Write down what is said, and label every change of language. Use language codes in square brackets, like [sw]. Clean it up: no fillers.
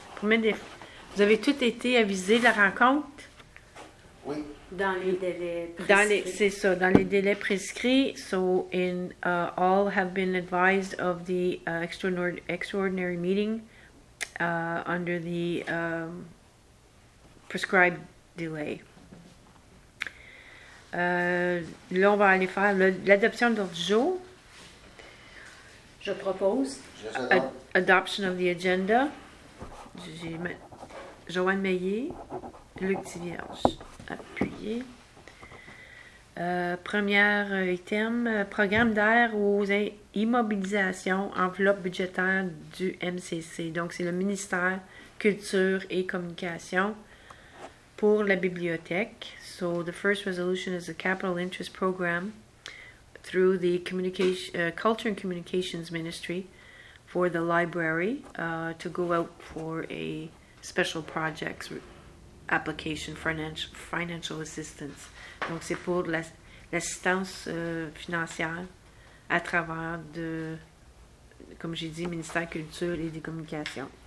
[fr] Vous avez tout été avisé de la rencontre? Oui. Dans les délais prescrits. C'est ça, dans les délais prescrits. [en] So, in all have been advised of the extraordinary meeting under the prescribed delay. [fr] Là, on va aller faire l'adoption de l'ordre du jour. Je propose. [en] Adoption of the agenda. [fr] Joanne Maillé, Luc Thivierge. Appuyer. Premier item, programme d'air aux immobilisations, enveloppe budgétaire du MCC. Donc, c'est le ministère Culture et Communication. Pour la bibliothèque. [en] So the first resolution is a capital interest program through the Culture and Communications Ministry for the library to go out for a special projects application for financial assistance. [fr] Donc c'est pour l'assistance financière à travers de, comme j'ai dit, ministère culture et des communications.